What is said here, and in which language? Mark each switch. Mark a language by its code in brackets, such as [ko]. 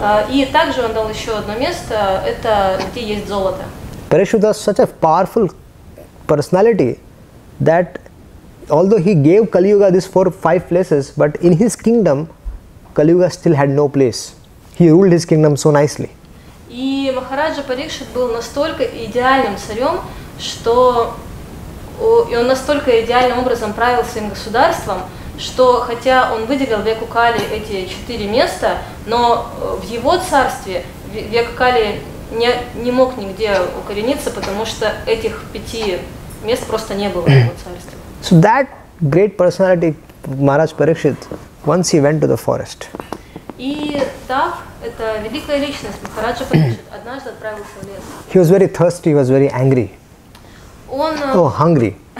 [ru] И также он дал еще одно место, это где есть золото. [en] Парикшит was such a powerful personality that although he gave Kali Yuga these 4-5 places, but in his kingdom, Kali Yuga still had no place. He ruled his kingdom so nicely. [ru] И Махараджа Парикшит был настолько идеальным царем, что и он настолько идеальным образом правил своим государством, что хотя он выделил веку Кали эти 4 места, но в его царстве век Кали не мог нигде укорениться, потому что этих 5 мест просто не было в его царстве. [en] So that great personality, Maharaj Parikshit, once he went to the forest. He was very thirsty, he was very angry. Hungry.